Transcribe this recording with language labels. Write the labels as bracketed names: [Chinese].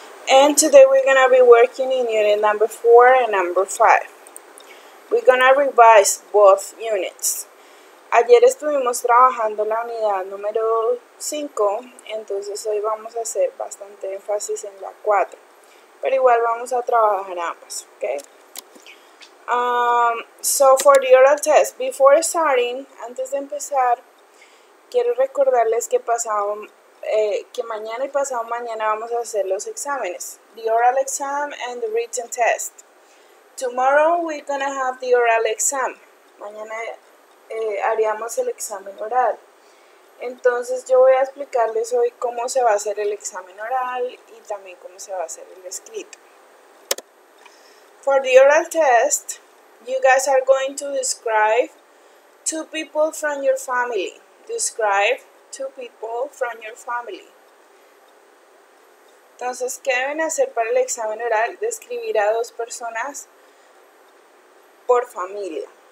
[English] And today we're going to be working in unit number 4 and number 5. We're going to revise both units. [Spanish] Ayer estuvimos trabajando la unidad número 5, entonces hoy vamos a hacer bastante énfasis en la 4. Pero igual vamos a trabajar ambas, ¿ok? [English] So for the oral test, before starting, [Spanish] antes de empezar, quiero recordarles que mañana y pasado mañana vamos a hacer los exámenes. [English] The oral exam and the written test. Tomorrow we're gonna have the oral exam. [Spanish] Mañana haríamos el examen oral. Entonces yo voy a explicarles hoy cómo se va a hacer el examen oral y también cómo se va a hacer el escrito. [English] For the oral test, you guys are going to describe two people from your family. Describe two people from your family. [Spanish] Entonces, ¿qué deben hacer para el examen oral? Describir a dos personas por familia.